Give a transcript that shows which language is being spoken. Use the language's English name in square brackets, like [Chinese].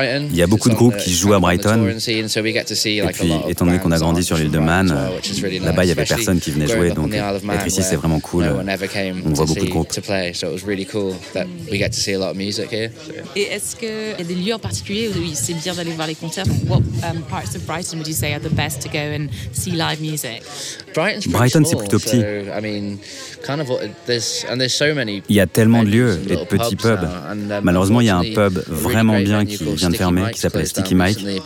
[French] Il y a beaucoup de groupes qui jouent à Brighton. Et puis, étant donné qu'on a grandi sur l'île de Man, là-bas, il n'y avait personne qui venait jouer. Donc, être ici, c'est vraiment cool. On voit beaucoup de groupes. Et est-ce qu'il y a des lieux en particulier où c'est bien d'aller voir les concerts? [English] What parts of Brighton would you say are the best to go and see live music? [French] Brighton, c'est plutôt petit. Il y a tellement de lieux et de petits pubs. Malheureusement, il y a un pub vraiment bien qui vient de fermer, qui s'appelle Sticky Mike.